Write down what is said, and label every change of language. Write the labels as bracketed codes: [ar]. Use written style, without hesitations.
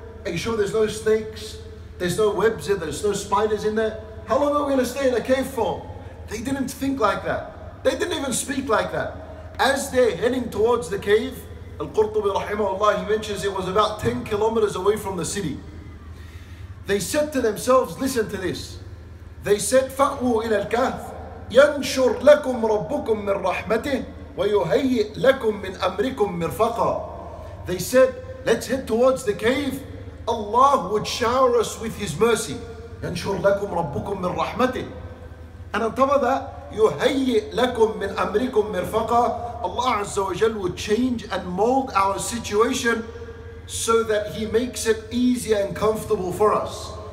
[en] Are you sure there's no snakes? There's no webs in there? There's no spiders in there? How long are we going to stay in a cave for? They didn't think like that. They didn't even speak like that. As they're heading towards the cave, Al-Qurtubi rahimahullah, he mentions it was about 10 kilometers away from the city. They said to themselves, listen to this. They said, [ar] فَأْوُوا إِلَى الْكَهْفِ يَنْشُرْ لَكُمْ رَبُّكُمْ مِنْ رَحْمَتِهِ وَيُهَيِّئْ لَكُمْ مِنْ أَمْرِكُمْ مِرْفَقًا. [en] They said, let's head towards the cave. Allah would shower us with His mercy. [ar] يَنْشُرْ لَكُمْ رَبُّكُمْ مِنْ رَحْمَتِهِ. [en] And on top of that, [ar] يُهَيِّئْ لَكُمْ مِنْ أَمْرِكُمْ مِرْفَقًا. [en] Allah Azza wa Jal would change and mold our situation so that He makes it easier and comfortable for us.